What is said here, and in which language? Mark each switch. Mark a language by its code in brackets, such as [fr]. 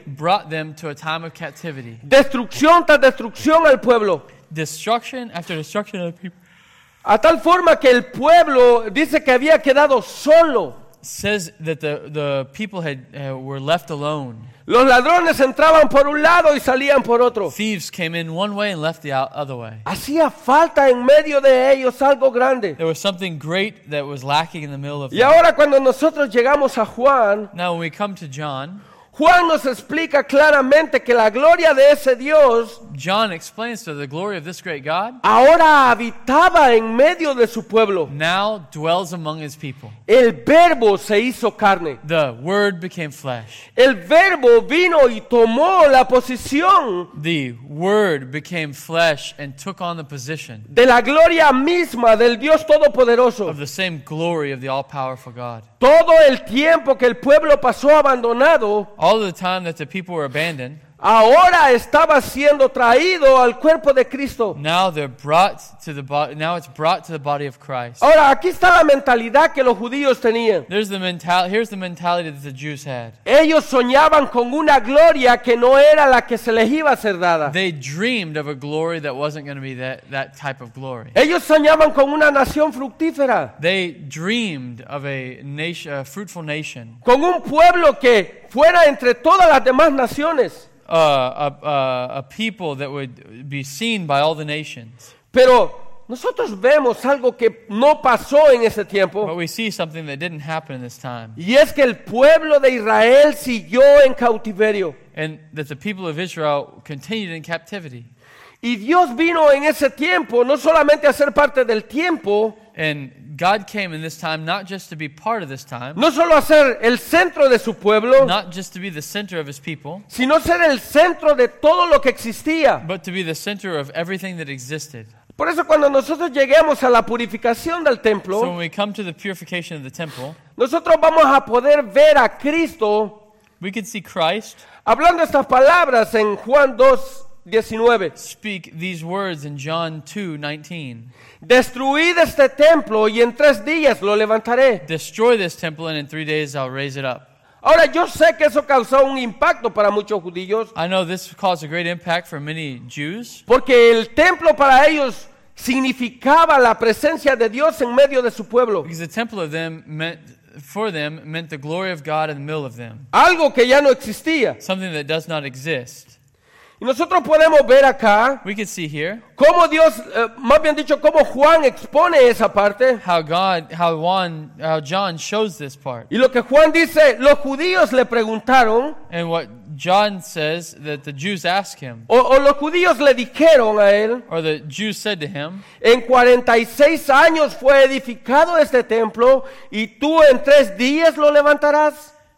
[en] brought them to a time of captivity, [es] destrucción tras destrucción al pueblo, [en] destruction after destruction of the people, [es] a tal forma que el pueblo dice que había quedado solo. [en] Says that the people had were left alone. [es] Los ladrones entraban por un lado y salían por otro. [en] Thieves came in one way and left the other way. [es] Hacía falta en medio de ellos algo grande. [en] There was something great that was lacking in the middle of them. [es] Y ahora cuando nosotros llegamos a Juan, [en] now when we come to John, [es] Juan nos explica claramente que la gloria de ese Dios, [en] John explains to the glory of this great God, [es] ahora habitaba en medio de su pueblo. [en] Now dwells among his people. [es] El verbo se hizo carne. [en] The word became flesh. [es] El verbo vino y tomó la posición. [en] The word became flesh and took on the position. [es] De la gloria misma del Dios Todopoderoso. [en] Of the same glory of the all-powerful God. [es] Todo el tiempo que el pueblo pasó abandonado, [en] all the time that the people were abandoned, [es] ahora estaba siendo traído al cuerpo de Cristo. [en] Now they're brought to the now it's brought to the body of Christ. [es] Ahora aquí está la mentalidad que los judíos tenían. [en] Here's the mentality that the Jews had. [es] Ellos soñaban con una gloria que no era la que se les iba a ser dada. [en] They dreamed of a glory that wasn't going to be that type of glory. [es] Ellos soñaban con una nación fructífera. [en] They dreamed of a fruitful nation. [es] Con un pueblo que fuera entre todas las demás naciones. [en] A people that would be seen by all the nations. [es] Pero nosotros vemos algo que no pasó en ese tiempo. [en] But we see something that didn't happen in this time. [es] Y es que el pueblo de Israel siguió en cautiverio. [en] And that the people of Israel continued in captivity. [es] Y Dios vino en ese tiempo no solamente a ser parte del tiempo. [en] And God came in this time not just to be part of this time, [es] no solo a ser el centro de su pueblo, [en] not just to be the center of his people, [es] sino ser el centro de todo lo que existía, [en] but to be the center of everything that existed. [es] Por eso cuando nosotros lleguemos a la purificación del templo, [en] so when we come to the purification of the temple, [es] nosotros vamos a poder ver a Cristo, [en] we can see Christ [es] hablando estas palabras en Juan 2. 19. [en] Speak these words in John 2, 19. [es] Destruid este templo y en tres días lo levantaré. [en] Destroy this temple and in 3 days I'll raise it up. [es] Ahora, yo sé que eso causó un impacto para muchos judíos. [en] I know this caused a great impact for many Jews. [es] Porque el templo para ellos significaba la presencia de Dios en medio de su pueblo. [en] Because the temple of them meant, for them meant the glory of God in the middle of them. [es] Algo que ya no existía. [en] Something that does not exist. [es] Y nosotros podemos ver acá, [en] we can see here, [es] cómo Dios, más bien dicho, cómo Juan expone esa parte. [en] How John shows this part. [es] Y lo que Juan dice, los judíos le preguntaron. [en] And what John says that the Jews ask him. [es] O los judíos le dijeron a él. [en] Or the Jews said to him. [es] En 46 años fue edificado este templo y tú en 3 días lo levantarás.